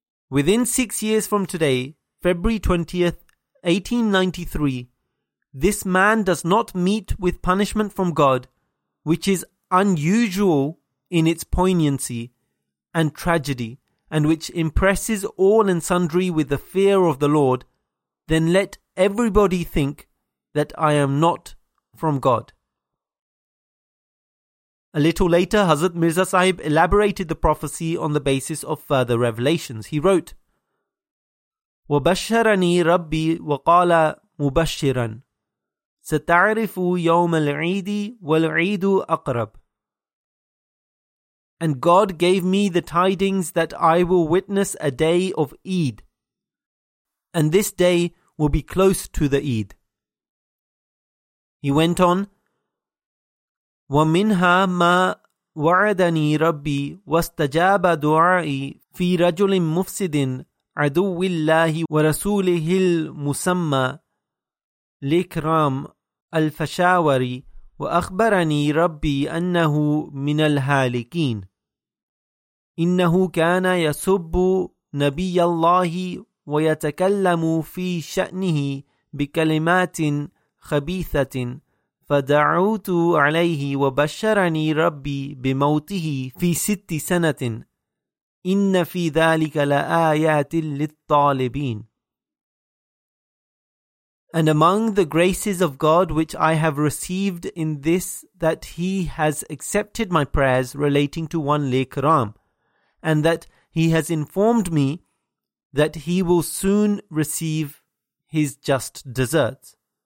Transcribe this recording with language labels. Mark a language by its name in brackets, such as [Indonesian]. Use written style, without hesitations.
[English] within 6 years from today, February 20th, 1893, this man does not meet with punishment from God, which is unusual in its poignancy and tragedy, and which impresses all and sundry with the fear of the Lord, then let everybody think that I am not from God." A little later, Hazrat Mirza Sahib elaborated the prophecy on the basis of further revelations. He wrote, [Arabic] "وَبَشَّرَنِي رَبِّي وَقَالَ مُبَشِّرًا سَتَعْرِفُ يَوْمَ الْعِيدِ وَالْعِيدُ أَقْرَبُ." [English] And God gave me the tidings that I will witness a day of Eid, and this day will be close to the Eid. He went on, [Arabic] وَمِنْهَا مَا وَعَدَنِي رَبِّي وَاسْتَجَابَ دُعَائِي فِي رَجُلٍ مُفْسِدٍ عَدُوِّ اللَّهِ وَرَسُولِهِ الْمُسَمَّى لِكْرَامِ الفشاوري وأخبرني ربي أنه من الهالكين إنه كان يسب نبي الله ويتكلم في شأنه بكلمات خبيثة فدعوت عليه وبشرني ربي بموته في ست سنة إن في ذلك لآيات للطالبين. [English] And among the graces of God which I have received in this, that He has accepted my prayers relating to one Lekaram, and that He has informed me that He will soon receive His just deserts.